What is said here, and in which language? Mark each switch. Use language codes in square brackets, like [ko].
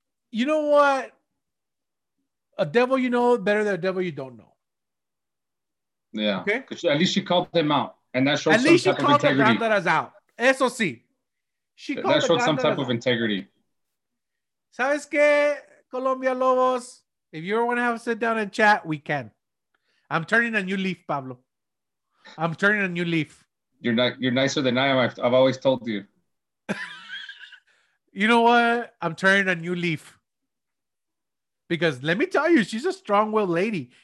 [en] You know what? A devil you know better than a devil you don't know. Yeah. Okay. At least she called him out, and that shows some type of integrity. At least she called Gandara's out. SOC. She called that showed some type of integrity. [es] ¿Sabes qué, Colombia Lobos? [en] If you ever want to have a sit down and chat, we can. I'm turning a new leaf, Pablo. I'm turning a new leaf. You're nicer than I am. I've always told you. You know what? I'm turning a new leaf. Because let me tell you, she's a strong-willed lady.